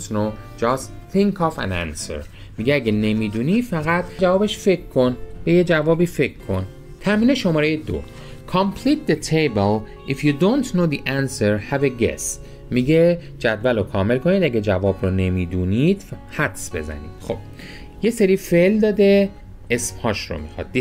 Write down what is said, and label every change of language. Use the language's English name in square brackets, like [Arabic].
[English] If you don't know, just think of an answer. [Persian] میگه اگه نمیدونی فقط جوابش فکر کن، به یه جوابی فکر کن. تمرین شماره 2، [English] Complete the table. If you don't know the answer, have a guess. [Persian] میگه جدول رو کامل کنید، اگه جواب رو نمیدونید حدس بزنید. خب یه سری فعل داده، اسمهاش رو میخواد.